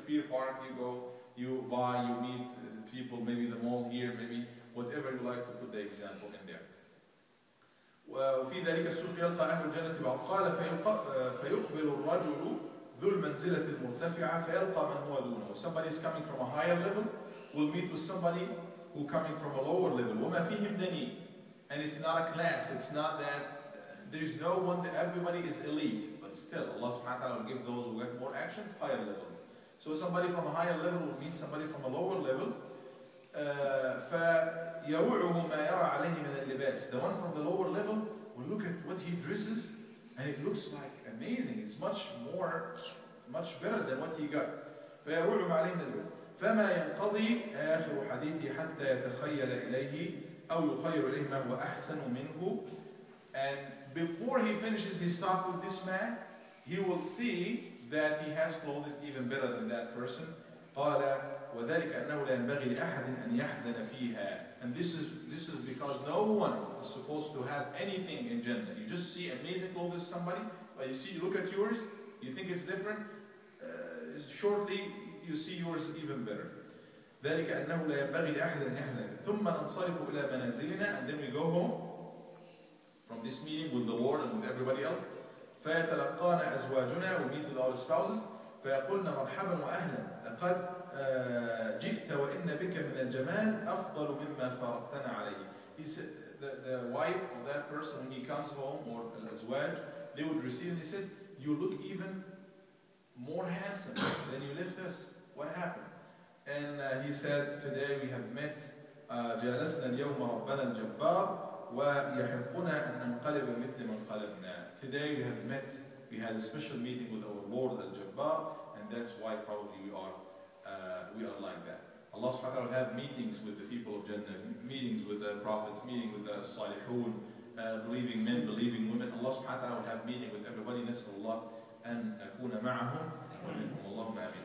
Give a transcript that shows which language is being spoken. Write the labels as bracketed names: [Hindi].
[English] Beer park, you go, you buy, you meet people, maybe the mall here, maybe whatever you like to put the example in there. [Arabic] وفي ذلك السوق يلقى أهل الجنة بعض. قال فيقبل الرجل ذو المنزلة المرتفعة فيلقى من هو دونه. [English] Somebody is coming from a higher level. Will meet with somebody who coming from a lower level. [Arabic] وما فيهم دني. [English] And it's not a class. It's not that there's no one. That everybody is elite. But still, Allah Subhanahu wa Taala will give those who get more actions higher levels. So somebody from a higher level will meet somebody from a lower level. [Arabic] فيوعه ما يرى عليه من اللباس. [English] The one from the lower level will look at what he dresses, and it looks like amazing. It's much more, much better than what he got. [Arabic] فيوعه ما عليه من اللباس. فما ينقضي آخر حديثي حتى يتخيل إليه أو يخير إليه ما هو أحسن منه. [English] And before he finishes his talk with this man, he will see that he has clothes even better than that person. [Arabic] قال وذلك أنه لا ينبغي لأحد أن يحزن فيها. [English] And this is because no one is supposed to have anything in Jannah. You just see amazing clothes somebody, but you see, you look at yours, you think it's different. Shortly, you see yours even better. [Arabic] ذلك أنه لا ينبغي لأحد أن يحزن. ثم ننصرف إلى منازلنا. [English] And then we go home from this meeting with the Lord and with everybody else. [Arabic] فيتلقانا أزواجنا. [English] We meet with our spouses. [Arabic] فيقولنا مرحبا وأهلا. لقد جئت وإن بك من الجمال أفضل مما فرقتنا عليه. [English] He said, the wife of that person when he comes home or الأزواج, they would receive and he said, you look even more handsome than you left us. What happened? And he said, today we have met [Arabic] جلسنا اليوم ربنا الجبار ويحبنا أن ننقلب مثل ما انقلبنا. [English] Today we have met, we had a special meeting with our Lord al-Jabbar, and that's why probably we are like that. Allah subhanahu wa ta'ala had meetings with the people of Jannah, meetings with the prophets, meeting with the salihun, believing men, believing women. Allah subhanahu wa ta'ala had meeting with everybody. [Arabic] Nas'alullah an akuna ma'ahum wa minhum. Allahumma ameen.